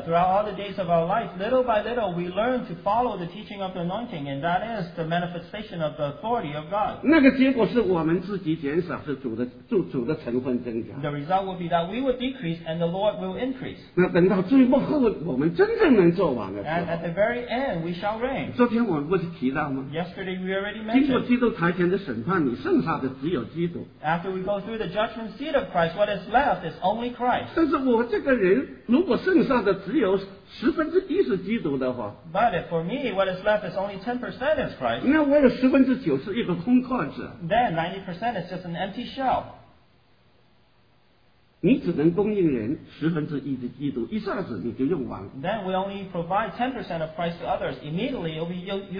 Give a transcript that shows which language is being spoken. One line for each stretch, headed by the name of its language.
English: throughout all the days of our life, little by little, we learn to follow the teaching of the anointing, and that is the manifestation of the authority of God.
Chinese: 那个结果是我们自己减少，是主的成分增加。
English: The result will be that we will decrease, and the Lord will increase.
Chinese: 那等到最末后，我们真正能做完了。
English: And at the very end, we shall reign.
Chinese: 昨天我们不是提到吗？
English: Yesterday we already mentioned.
Chinese: 经过基督台前的审判，你剩下的只有基督。
English: After we go through the judgment seat of Christ, what is left is only Christ.
Chinese: 但是我这个人如果剩下的只有十分之一是基督的话,
English: but if for me what is left is only 10% is Christ,
Chinese: 那我有十分之九是一个空罐子,
English: then 90% is just an empty shell.
Chinese: 你只能供应人十分之一的基督，一下子你就用完了。
English: Then we only provide 10% of Christ to others. Immediately it will be used up.